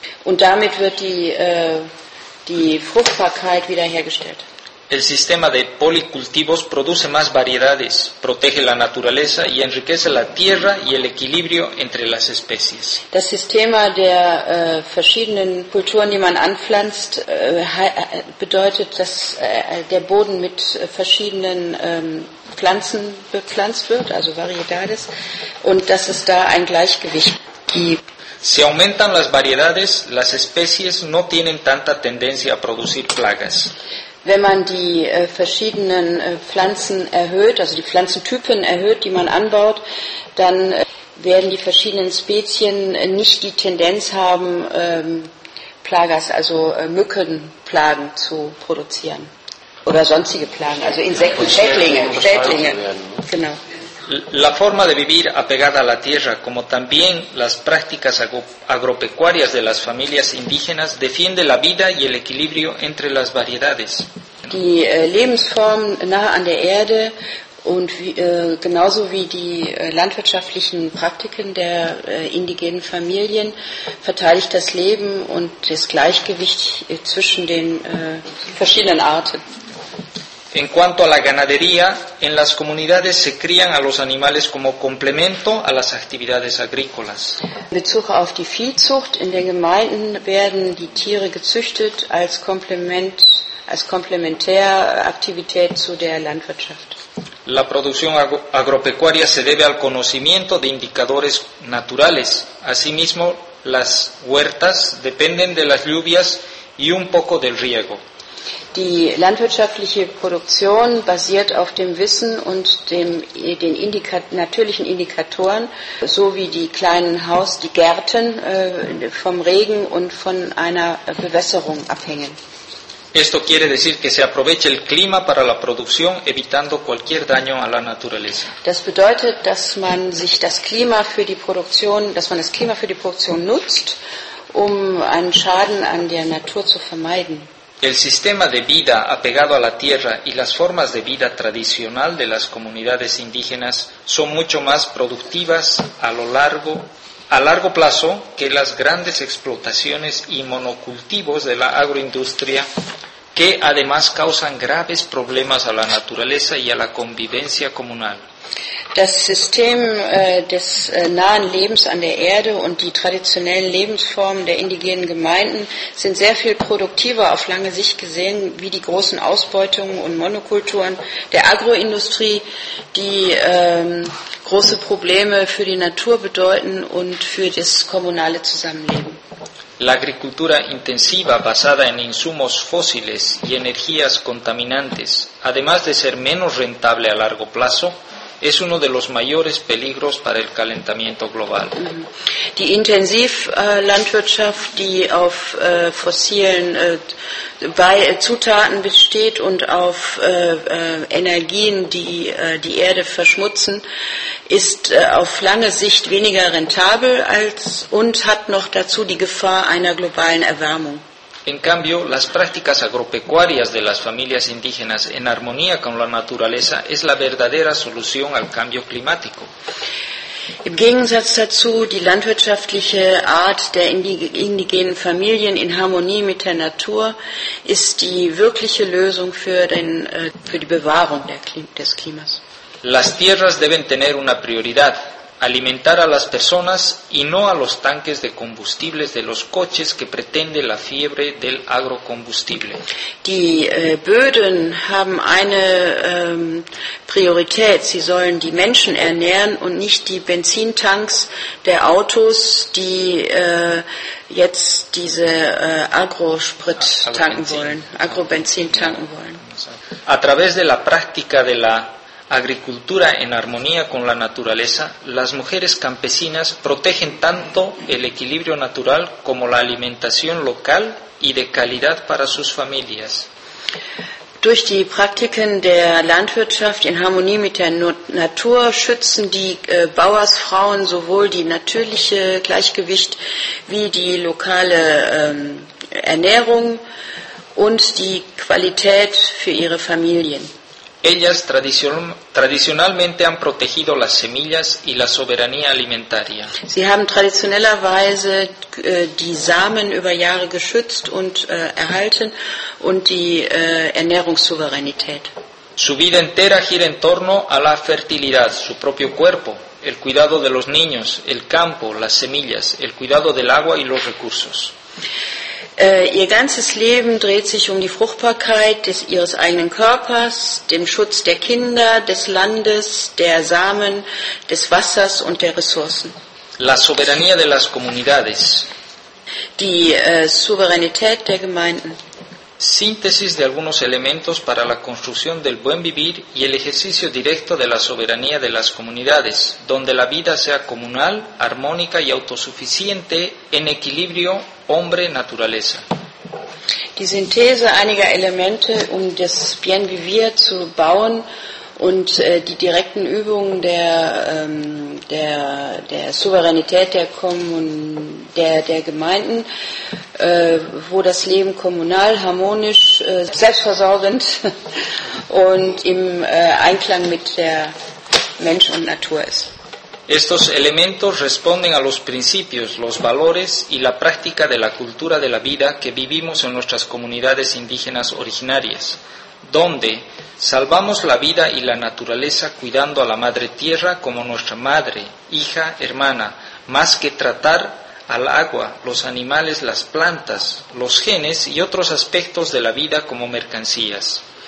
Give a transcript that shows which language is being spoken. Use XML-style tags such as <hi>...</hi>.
<de>Und damit wird die Fruchtbarkeit wiederhergestellt.</de> <es>El sistema de policultivos produce más variedades, protege la naturaleza y enriquece la tierra y el equilibrio entre las especies.</es> <de>Das System der verschiedenen Kulturen, die man anpflanzt, bedeutet, dass der Boden mit verschiedenen Pflanzen bepflanzt wird, also variedades, und dass es da ein Gleichgewicht gibt.</de> <es>Si aumentan las variedades, las especies no tienen tanta tendencia a producir plagas.</es> <de>Wenn man die verschiedenen Pflanzen erhöht, also die Pflanzentypen erhöht, die man anbaut, dann werden die verschiedenen Spezien nicht die Tendenz haben, Plagas, also Mückenplagen zu produzieren. Oder sonstige Plagen, also Insekten, Schädlinge. Genau.</de> <es>La forma de vivir apegada a la tierra, como también las prácticas agropecuarias de las familias indígenas, defiende la vida y el equilibrio entre las variedades.</es> <de>Die Lebensform nahe an der Erde und genauso wie die landwirtschaftlichen Praktiken der indigenen Familien verteidigt das Leben und das Gleichgewicht zwischen den verschiedenen Arten.</de> <es>En cuanto a la ganadería, en las comunidades se crían a los animales como complemento a las actividades agrícolas.</es> <de>In Bezug auf die Viehzucht, in den Gemeinden werden die Tiere gezüchtet als Komplementäraktivität zu der Landwirtschaft.</de> <es>La producción agropecuaria se debe al conocimiento de indicadores naturales. Asimismo, las huertas dependen de las lluvias y un poco del riego.</es> <de>Die landwirtschaftliche Produktion basiert auf dem Wissen und den natürlichen Indikatoren, so wie die kleinen Haus, die Gärten vom Regen und von einer Bewässerung abhängen.</de> <es>Esto quiere decir que se aproveche el clima para la producción, evitando cualquier daño a la naturaleza.</es> <de>Das bedeutet, dass man das Klima für die Produktion nutzt, um einen Schaden an der Natur zu vermeiden.</de> <es>El sistema de vida apegado a la tierra y las formas de vida tradicional de las comunidades indígenas son mucho más productivas a largo plazo que las grandes explotaciones y monocultivos de la agroindustria, que además causan graves problemas a la naturaleza y a la convivencia comunal.</es> <de>Das System des nahen Lebens an der Erde und die traditionellen Lebensformen der indigenen Gemeinden sind sehr viel produktiver auf lange Sicht gesehen wie die großen Ausbeutungen und Monokulturen der Agroindustrie, die große Probleme für die Natur bedeuten und für das kommunale Zusammenleben.</de> <es>La agricultura intensiva basada en insumos fósiles y energías contaminantes, además de ser menos rentable a largo plazo, es uno de los mayores peligros para el calentamiento global.</es> <de>Die Intensivlandwirtschaft, die auf fossilen Zutaten besteht und auf Energien, die die Erde verschmutzen, ist auf lange Sicht weniger rentabel als und hat noch dazu die Gefahr einer globalen Erwärmung.</de> <es>En cambio, las prácticas agropecuarias de las familias indígenas en armonía con la naturaleza es la verdadera solución al cambio climático.</es> <de>Im Gegensatz dazu, die landwirtschaftliche Art der indigenen Familien in Harmonie mit der Natur ist die wirkliche Lösung für die Bewahrung des Klimas.</de> <es>Las tierras deben tener una prioridad. Alimentar a las personas y no a los tanques de combustibles de los coches que pretende la fiebre del agrocombustible.</es> <de>Die Böden haben eine Priorität. Sie sollen die Menschen ernähren und nicht die Benzintanks der Autos, die jetzt diese Agrosprit tanken wollen, Agrobenzin tanken wollen.</de> <es>A través de la práctica de la agricultura en armonía con la naturaleza, las mujeres campesinas protegen tanto el equilibrio natural como la alimentación local y de calidad para sus familias.</es> <de>Durch die Praktiken der Landwirtschaft in Harmonie mit der Natur schützen die Bauersfrauen sowohl die natürliche Gleichgewicht wie die lokale Ernährung und die Qualität für ihre Familien.</de> <es>Ellas tradicionalmente han protegido las semillas y la soberanía alimentaria.</es> <de>Sie haben traditionellerweise die Samen über Jahre geschützt und erhalten und die Ernährungssouveränität.</de> <es>Su vida entera gira en torno a la fertilidad, su propio cuerpo, el cuidado de los niños, el campo, las semillas, el cuidado del agua y los recursos.</es> <de>Ihr ganzes Leben dreht sich um die Fruchtbarkeit ihres eigenen Körpers, dem Schutz der Kinder, des Landes, der Samen, des Wassers und der Ressourcen.</de> <es>La soberanía de las comunidades.</es> <de>Die Souveränität der Gemeinden.</de> <es>Síntesis de algunos elementos para la construcción del buen vivir y el ejercicio directo de la soberanía de las comunidades, donde la vida sea comunal, armónica y autosuficiente en equilibrio hombre-naturaleza.</es> <de>Die Synthese einiger Elemente, um das Bien Vivir zu bauen und die direkten Übungen der Souveränität der Gemeinden, wo das Leben kommunal, harmonisch, selbstversorgend und im Einklang mit der Mensch und Natur ist.</de> <es>Estos elementos responden a los principios, los valores y la práctica de la cultura de la vida que vivimos en nuestras comunidades indígenas originarias, donde salvamos la vida y la naturaleza cuidando a la madre tierra como nuestra madre, hija, hermana, más que tratar al agua, los animales, las plantas, los genes y otros aspectos de la vida como mercancías.</es>